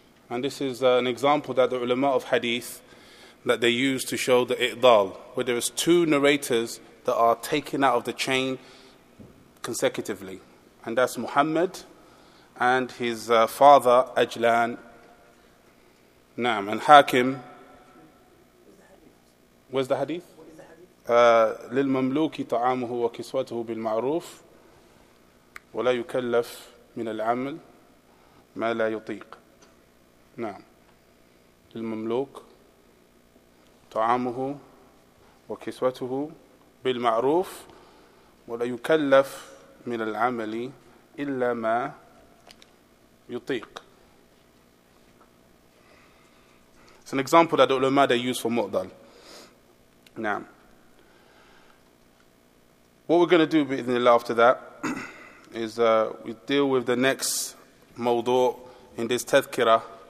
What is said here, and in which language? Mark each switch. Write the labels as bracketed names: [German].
[English] And this is an example that the ulama of hadith that they use to show the i'dal, where there is two narrators that are taken out of the chain consecutively, and that's Muhammad and his father Ajlan. Naam. And Hakim, where's the hadith? [Arabic] Lil mamluki ta'amuhu wa kiswatuhu bil ma'roof wa la yukallaf min al-amal ما لا يطيق. نعم. للمملوك طعامه وكسوته بالمعروف ولا يكلف من العمل إلا ما يطيق. [English] It's an example that the ulama they use for mu'dal. [Arabic] نعم. [English] What we're going to do [Arabic] بإذن الله [English] after that is we deal with the next موضوع in this tadhkira